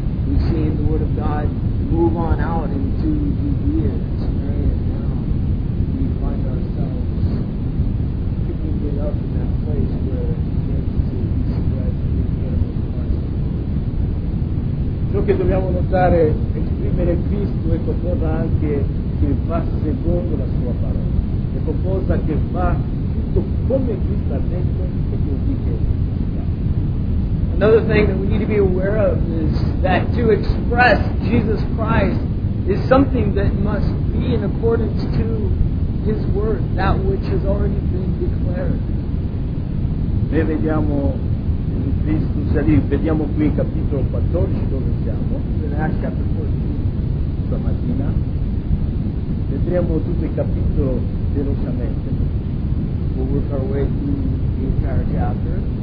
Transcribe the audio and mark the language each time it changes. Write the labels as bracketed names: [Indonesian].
[English] We've seen the Word of God move on out into Judea and Samaria. Now we find ourselves picking it up in that place where it begins to be spread through the Word of God. [Italian] Ciò che dobbiamo notare, esprimere Cristo è qualcosa anche che va secondo la Sua parola. È qualcosa che va tutto come Cristo ha detto e così che è. [English] Another thing that we need to be aware of is that to express Jesus Christ is something that must be in accordance to His Word, that which has already been declared. [Italian] Noi vediamo in Cristo, cioè vediamo qui in capitolo 14 dove siamo, [English] in Acts chapter 14, [Italian] stamattina, vedremo tutto il capitolo velocemente. [English] We'll work our way through the entire chapter.